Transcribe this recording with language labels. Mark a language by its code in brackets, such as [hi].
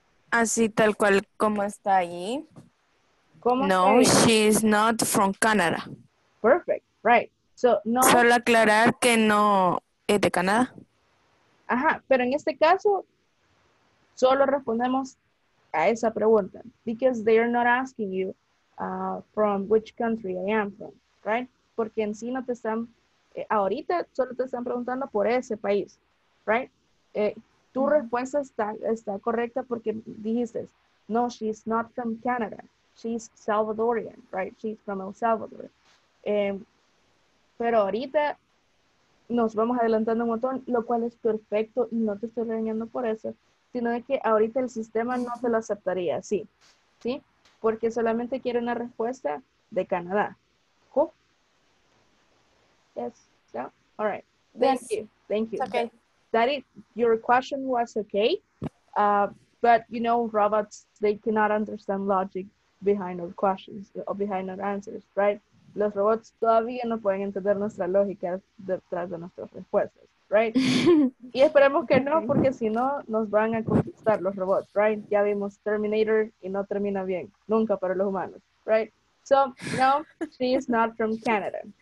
[es] Así, tal cual como está ahí. ¿Cómo [en] no, she is not from Canada. Perfect, right. So, no. [es] Solo aclarar que no es de Canadá. Ajá, pero en este caso, solo respondemos a esa pregunta. [en] Because they are not asking you from which country I am from, right? [es] Porque en sí no te están, ahorita solo te están preguntando por ese país, [en] right? [es] Tu respuesta está correcta porque dijiste, [en] no, she is not from Canada. She's Salvadorian, right? She's from El Salvador. [es] Pero ahorita nos vamos adelantando un montón, lo cual es perfecto y no te estoy regañando por eso, sino de que ahorita el sistema no se lo aceptaría así, ¿sí? Porque solamente quiere una respuesta de Canadá. [en] ¿Cool? Yes. Yeah. All right. Thank you. Okay. That it, your question was okay, but you know, robots, they cannot understand logic behind our questions or behind our answers, right? [es] Los robots todavía no pueden entender nuestra lógica detrás de nuestras respuestas, [en] right? [es] Y esperemos que no, porque si no, nos van a conquistar los robots, [en] right? [es] Ya vimos Terminator y no termina bien, nunca para los humanos, right? [en] So, no, she is not from Canada.